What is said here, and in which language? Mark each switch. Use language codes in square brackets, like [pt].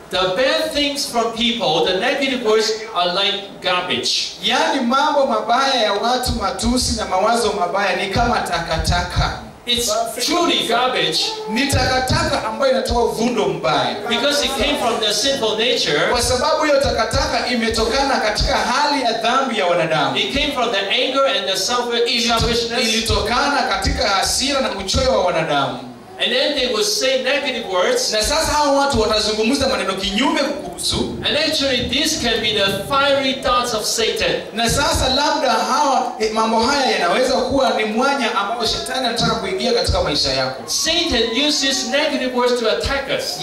[en] The bad things from people, the negative words are like garbage. [sw] Yaani mambo mabaya ya watu, matusi na mawazo mabaya ni kama takataka. [en] It's truly garbage. [sw] Nitakataka ambayo inatoa uvundo mbaya. [en] Because it came from their sinful nature. [sw] Kwa sababu hiyo takataka imetokana katika hali ya dhambi ya wanadamu. [en] It came from their anger and their selfishness. [sw] Ilitokana katika hasira na uchoyo wa wanadamu. [en] And then they would say negative words. [sw] Na sasa hao watu watazungumza maneno kinyume kukuhusu. [en] And actually this can be the fiery thoughts of Satan. [sw] Na sasa labda hawa mambo haya yanaweza kuwa ni mwanya ambao shetani anataka kuingia katika maisha yako. [en] Satan uses negative words to attack us.